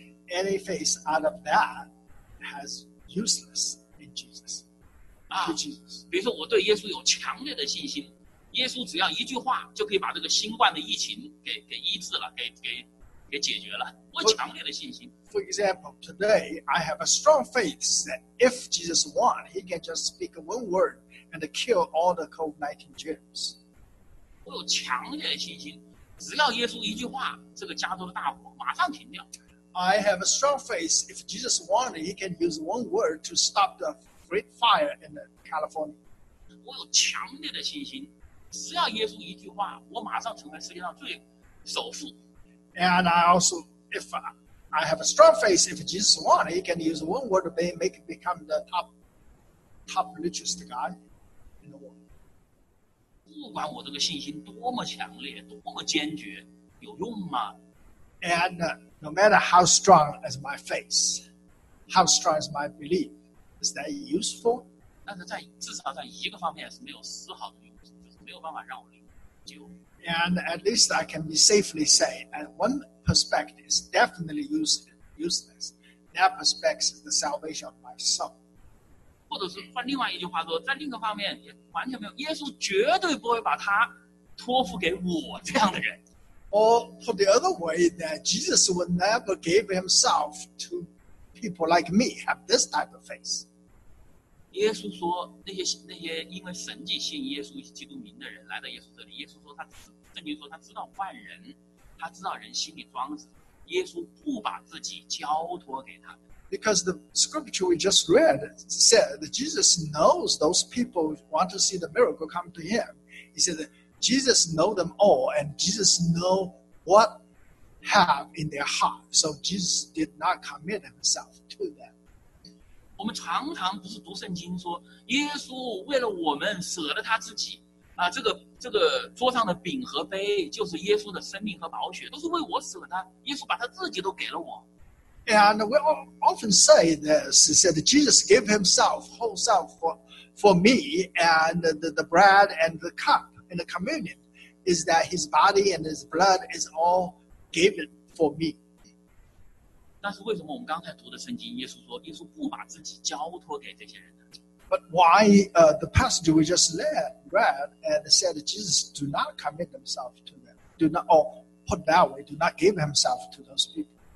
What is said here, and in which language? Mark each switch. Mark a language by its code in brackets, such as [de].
[en] Any faith out of that has useless in Jesus. Jesus. [zh] 比如说我对耶稣有强烈的信心，耶稣只要一句话就可以把这个新冠的疫情给医治了，给解决了，我强烈的信心。 [en] For example, today I have a strong faith that if Jesus wants, he can just speak one word and kill all the COVID-19 germs. [zh] 我有强烈的信心，只要耶稣一句话，这个加州的大火马上停掉。 [en] I have a strong faith if Jesus wants, he can use one word to stop the great fire in California. [zh] 我有强烈的信心，只要耶稣一句话，我马上成为世界上最首富。 [en] And I also, if I have a strong faith, if Jesus wants, he can use one word to make it become the top richest guy in the world. [zh] 不管我这个信心多么强烈，多么坚决，有用吗？ [en] And no matter how strong is my faith, how strong is my belief, is that useful? [zh] 但是在至少在一个方面是没有丝毫的用，就是没有办法让我灵就。 [en] And at least I can be safely say, and one perspective is definitely useless. That perspective is the salvation of my soul. [zh] 或者是换另外一句话说，在另一个方面也完全没有。耶稣绝对不会把他托付给我这样的人。 [en] Or put the other way, that Jesus would never give himself to people like me have this type of faith. [zh] 耶稣说那些因为神迹信耶稣基督名的人来到耶稣这里，耶稣说他圣经说他知道万人，他知道人心里装什么，耶稣不把自己交托给他们。 [en] Because the scripture we just read said that Jesus knows those people want to see the miracle come to him. He said that Jesus know them all and Jesus know what have in their heart. So Jesus did not commit himself to them. [zh] 我们常常不是读圣经说耶稣为了我们舍了他自己啊，这个桌上的饼和杯就是耶稣的生命和宝血，都是为我舍的，耶稣把他自己都给了我。 [en] And we often say this, said Jesus gave himself whole self for me, and the bread and the cup and the communion is that his body and his blood is all given for me. [zh] 但是为什么我们刚才读的圣经，耶稣说，耶稣不把自己交托给这些人呢 [en] ？But why the passage we just read and said Jesus do not commit himself to them, do not or put that way, do not give himself to those people?